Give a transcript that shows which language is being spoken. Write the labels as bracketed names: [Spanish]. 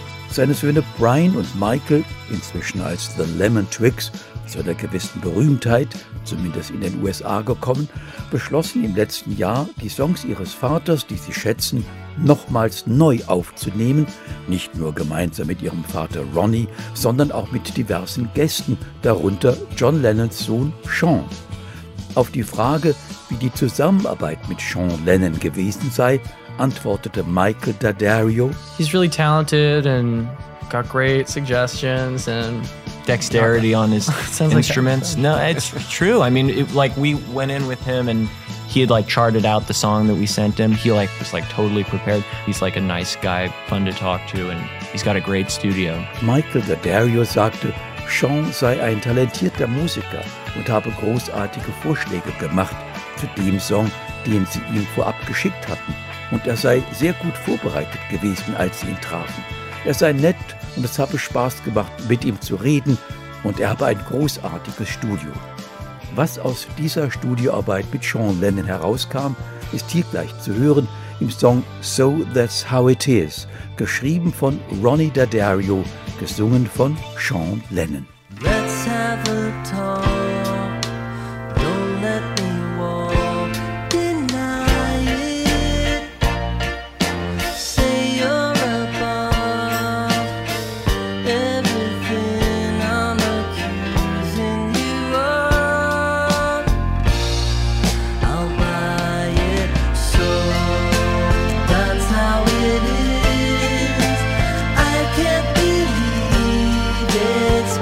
[German] Seine Söhne Brian und Michael, inzwischen als The Lemon Twigs, zu einer gewissen Berühmtheit, zumindest in den USA gekommen, beschlossen im letzten Jahr, die Songs ihres Vaters, die sie schätzen, nochmals neu aufzunehmen, nicht nur gemeinsam mit ihrem Vater Ronnie, sondern auch mit diversen Gästen, darunter John Lennons Sohn Sean. Auf die Frage, wie die Zusammenarbeit mit Sean Lennon gewesen sei, antwortete Michael Daddario: [English] He's really talented and got great suggestions and dexterity on his instruments. Like no, it's true. I mean, we went in with him and he had charted out the song that we sent him. He was totally prepared. He's a nice guy, fun to talk to, and he's got a great studio. [German] Michael Daddario sagte, Sean sei ein talentierter Musiker und habe großartige Vorschläge gemacht zu dem Song, den sie ihm vorab geschickt hatten. Und er sei sehr gut vorbereitet gewesen, als sie ihn trafen. Er sei nett und es habe Spaß gemacht, mit ihm zu reden. Und er habe ein großartiges Studio. Was aus dieser Studioarbeit mit Sean Lennon herauskam, ist hier gleich zu hören im Song So That's How It Is, geschrieben von Ronnie Daddario, gesungen von Sean Lennon. [English] Let's have a talk, don't let me walk, deny it, say you're above everything I'm accusing you of, I'll buy it, so that's how it is, I can't believe it.